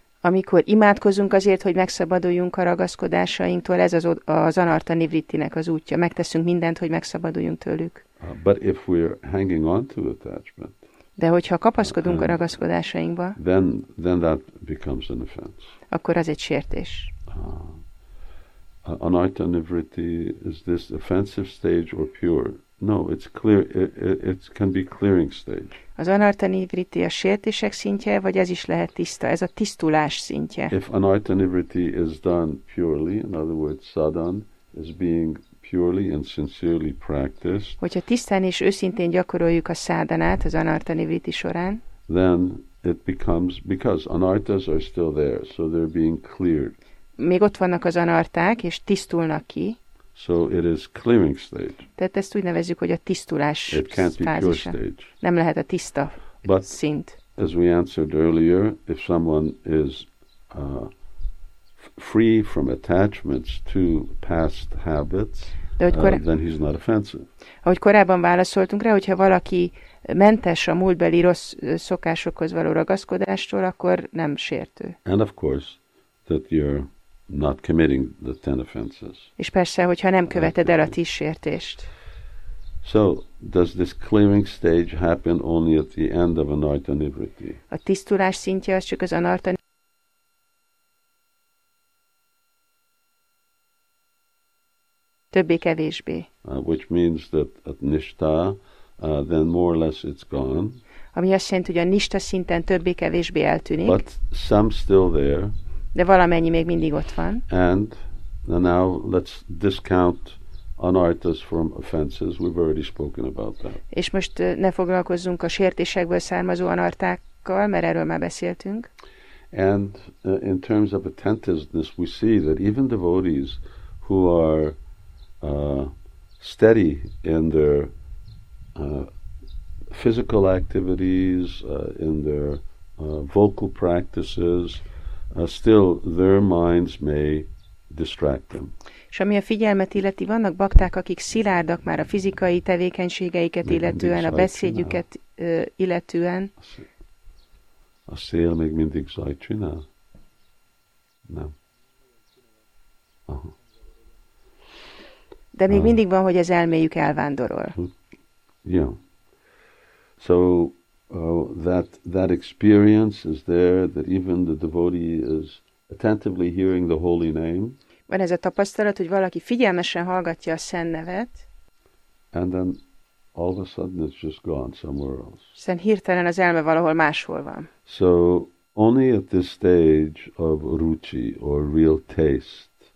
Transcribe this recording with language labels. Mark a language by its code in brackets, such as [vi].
[hu] Amikor imádkozunk azért, hogy megszabaduljunk a ragaszkodásainktól, ez az az anartha nivrittinek az útja. Megteszünk mindent, hogy megszabaduljunk tőlük. [en] But if we're hanging on to attachment, [hu] de hogyha kapaszkodunk a ragaszkodásainkba, [en] then that becomes an offense. [hu] Akkor az egy sértés. [en] Anartha nivritti, is this offensive stage or pure? No, it's clear. It can be clearing stage. [hu] Az anartha nivritti a sértések szintje, vagy ez is lehet tiszta, ez a tisztulás szintje. [en] If anartha nivritti is done purely, in other words, sadhan is being purely and sincerely practiced. [hu] Hogyha tisztán és őszintén gyakoroljuk a sadhanát az anartha nivritti során, [en] then it becomes, because anarthas are still there, so they're being cleared. [hu] Még ott vannak az anarták, és tisztulnak ki. [en] So it is clearing stage. [hu] Tehát ezt úgy nevezzük, hogy a tisztulás [en] it can't be [hu] fázisa. [en] Pure stage. [hu] Nem lehet a tiszta [en] but [hu] szint. [en] As we answered earlier, if someone is free from attachments to past habits, then he's not offensive. [hu] Ahogy korábban válaszoltunk rá, hogyha valaki mentes a múltbeli rossz szokásokhoz való ragaszkodástól, akkor nem sértő. [en] And of course, that you're not committing the 10 offenses. [hu] És persze, hogyha nem követed el a 10 sértést. [en] So, does this clearing stage happen only at the end of anartha nivritti? [hu] A tisztulás szintje az csak az anartha nivritti. Többé-kevésbé. [en] Which means that at nishta, then more or less it's gone. [hu] Ami azt jelenti, hogy a nishta szinten többé-kevésbé eltűnik. [en] But some still there. [hu] De valamennyi még mindig ott van. [en] And now let's discount anarthas from offenses. We've already spoken about that. [hu] És most ne foglalkozzunk a sértésekből származó anartákkal, mert erről már beszéltünk. [en] And in terms of attentiveness, we see that even devotees who are steady in their physical activities, in their vocal practices, still their minds may distract them. [hu] És ami a figyelmet illeti, vannak bakták, akik szilárdak már a fizikai tevékenységeiket illetően, a beszédjüket illetően. A szél még mindig zaj csinál? Nem. De még mindig van, hogy az elméjük elvándorol. [en] Yeah. So that experience is there that even the devotee is attentively hearing the holy name. [hu] Van ez a tapasztalat, hogy valaki figyelmesen hallgatja a szent nevet. [en] And then all of a sudden it's just gone somewhere else. [hu] Szóval hirtelen az elme valahol máshol van. [en] So only at this stage of ruchi or real taste.